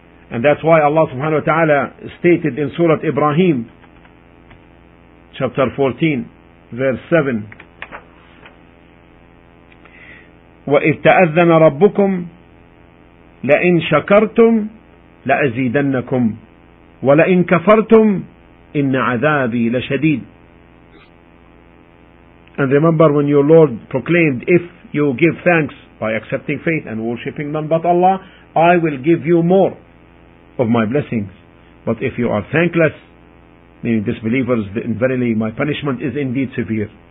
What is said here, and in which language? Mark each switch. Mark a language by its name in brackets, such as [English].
[English] And that's why Allah subhanahu wa ta'ala stated in Surah Ibrahim, chapter 14, verse 7, [Arabic] وَإِذْ تَأَذَّنَ رَبُّكُمْ لَإِنْ شَكَرْتُمْ لَأَزِيدَنَّكُمْ ولئن كفرتم إن عذابي لشديد. [English] And remember when your Lord proclaimed, if you give thanks by accepting faith and worshipping none but Allah, I will give you more of my blessings. But if you are thankless, meaning disbelievers, then verily my punishment is indeed severe.